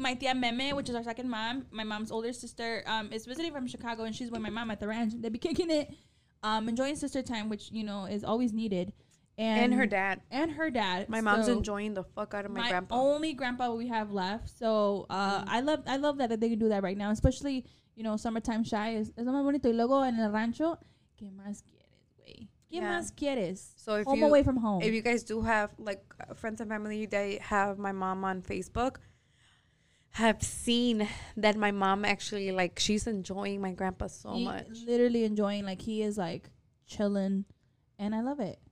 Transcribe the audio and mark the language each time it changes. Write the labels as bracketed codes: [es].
[en] My tia Meme, which is our second mom, my mom's older sister, is visiting from Chicago, and she's with my mom at the ranch. They'd be kicking it, enjoying sister time, which, you know, is always needed. And her dad. And her dad. My mom's enjoying the fuck out of my grandpa. My only grandpa we have left. So I love that they can do that right now, especially, you know, summertime shy. [es] Es más bonito. Y luego en el rancho, ¿qué más quieres, güey? ¿Qué más quieres? [en] So if home you, away from home. If you guys do have, like, friends and family that have my mom on Facebook, have seen that my mom actually, like, she's enjoying my grandpa so much. Literally enjoying, like, he is, like, chilling. And I love it.